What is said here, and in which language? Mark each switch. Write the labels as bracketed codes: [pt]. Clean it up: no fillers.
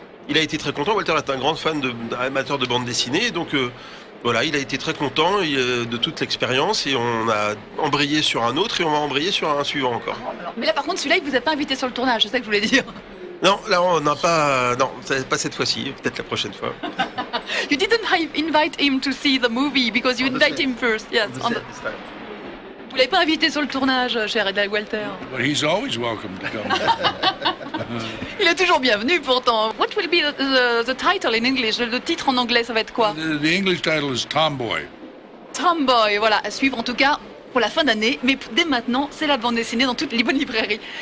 [fr] Il a été très content, Walter est un grand fan amateur de bande dessinée, donc... Voilà, il a été très content de toute l'expérience et on a embrayé sur un autre et on va embrayer sur un suivant encore. Mais là, par contre, celui-là, il ne vous a pas invité sur le tournage, c'est ça que je voulais dire. Non, là, on n'a pas... Non, pas cette fois-ci, peut-être la prochaine fois. [en] You didn't invite him to see the movie because you invite him first. Yes. [fr] Vous ne l'avez pas invité sur le tournage, cher Edel Walter. [en] But he's always welcome to come. [fr] Il est toujours bienvenu, pourtant. [en] What will be the title in English? [fr] Le titre en anglais, ça va être quoi? [en] The English title is Tomboy. [fr] Tomboy, voilà, à suivre en tout cas pour la fin d'année. Mais dès maintenant, c'est la bande dessinée dans toutes les bonnes librairies.